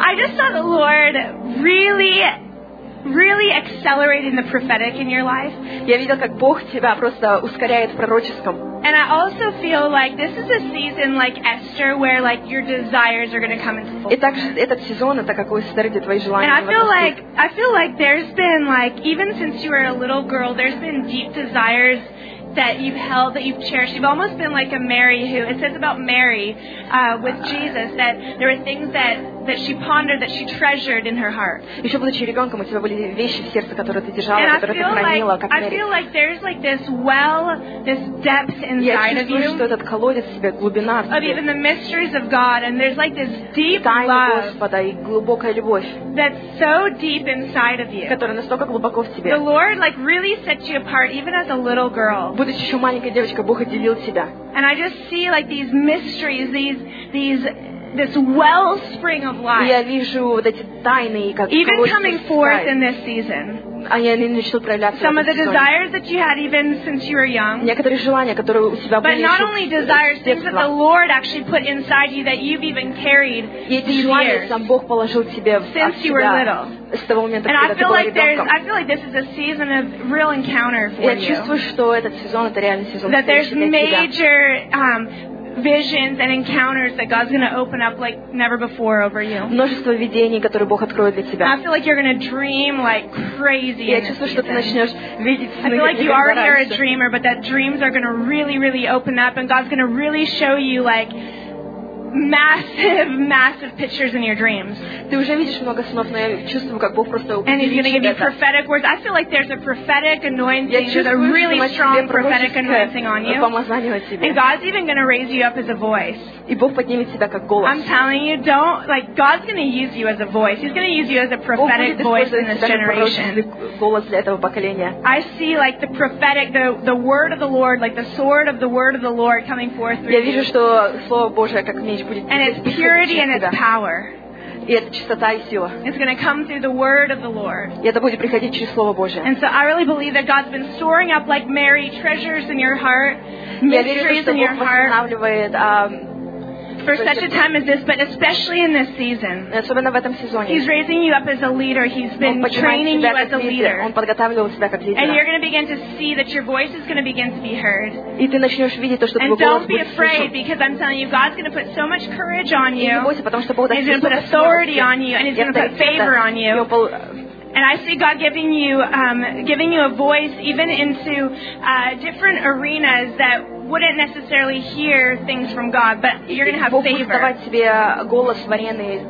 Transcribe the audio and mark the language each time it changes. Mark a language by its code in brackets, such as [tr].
[en] I just saw the Lord really, really accelerating the prophetic in your life. [ru] Я видел, как Бог тебя просто ускоряет в пророческом. [en] And I also feel like this is a season like Esther where like your desires are going to come into fullness. [ru] И также этот сезон это как у Эстер, где твои желания. [en] And I feel like there's been like even since you were a little girl there's been deep desires that you've held that you've cherished. You've almost been like a Mary who it says about Mary with Jesus that there were things that she pondered that she treasured in her heart. [ru] Ещё будучи ребёнком, у тебя были вещи в сердце, которые ты держала, которые ты хранила, как Мария. [en] I feel like there's like this well, this depth inside of you. [ru] Я чувствую, что этот колодец в себе, глубина. [en] Of even the mysteries of God and there's like this deep love. [ru] Тайны Господа и глубокая любовь. [en] That's so deep inside of you. [ru] Которая настолько глубоко в тебе. [en] The Lord like really set you apart even as a little girl. [ru] Будучи ещё маленькой девочкой, Бог отделил тебя. [en] And I just see like these mysteries, this wellspring of life. [ru] Я вижу вот эти тайны, как [en] Even coming forth in this season. Some of the desires that you had even since you were young. [ru] Некоторые желания, которые у тебя были. [en] But not only desires, things that the Lord actually put inside you that you've even carried. [ru] Эти желания сам Бог положил тебе в [en] Since you were little. [ru] С того момента, [en] And I feel like this is a season of real encounter for you. [ru] Я чувствую, что этот сезон это реальный сезон. [en] That there's major visions and encounters that God's going to open up like never before over you. [ru] Множество видений, которые Бог откроет для тебя. [en] I feel like you're going to dream like crazy. [ru] Я чувствую, что ты начнёшь видеть сны. [en] I feel like you already are a dreamer, but that dreams are going to really, really open up and God's going to really show you like massive, massive pictures in your dreams. [ru] Ты уже видишь много снов, но я чувствую, как Бог просто [en] And he's going to give you prophetic words. I feel like there's a prophetic anointing, there's a really strong prophetic anointing on you. And God's even going to raise you up as a voice. [ru] И Бог поднимет тебя как голос. [en] I'm telling you, don't like God's going to use you as a voice. He's going to use you as a prophetic voice in this generation. [ru] Голос для этого поколения. [en] I see like the prophetic, the word of the Lord, like the sword of the word of the Lord coming forth through you. [ru] Я вижу, что слово Божье как меч будет. [en] And its purity and its power. [ru] И это чистота и сила. [en] It's going to come through the word of the Lord. [ru] И это будет приходить через слово Божье. [en] And so I really believe that God's been storing up like Mary treasures in your heart, mysteries in your heart. For such a time as this, but especially in this season. [ru] Особенно в этом сезоне. [en] He's raising you up as a leader. He's been training you as a leader. [ru] Он подготавливал тебя как лидера. [en] And you're going to begin to see that your voice is going to begin to be heard. [ru] И ты начнешь видеть то, что твой голос будет слышен. [en] And don't be afraid, because I'm telling you, God's going to put so much courage on you. [ru] И не бойся, потому что Бог даст силу. [en] He's going to put authority on you, and he's going to put favor on you. And I see God giving you a voice even into different arenas that wouldn't necessarily hear things from God, but you're going to have favor. [ru] Бог будет давать тебе голос в арене,